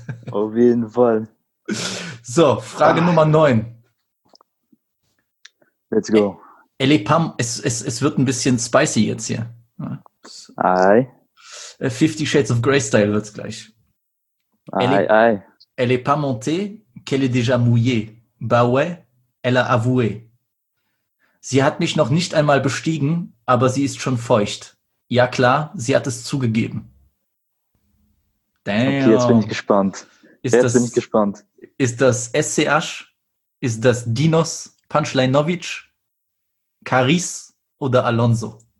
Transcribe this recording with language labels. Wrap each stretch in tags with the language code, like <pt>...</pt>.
<de>Auf jeden Fall. So, Frage Nummer 9.</de> <en>Let's go.</en> <de>Elle Pam, es wird ein bisschen spicy jetzt hier. Ei. 50 Shades of Grey Style wird es gleich. Ei.</de> <fr>Elle est pas montée, qu'elle est déjà mouillée. Bah ouais, elle a avoué.</fr> <de>Sie hat mich noch nicht einmal bestiegen, aber sie ist schon feucht. Ja klar, sie hat es zugegeben.</de> <en>Damn.</en> <de>Okay, jetzt bin ich gespannt. Ist das SCH? Ist das Dinos, Punchlinovic, Caris oder Alonso?</de>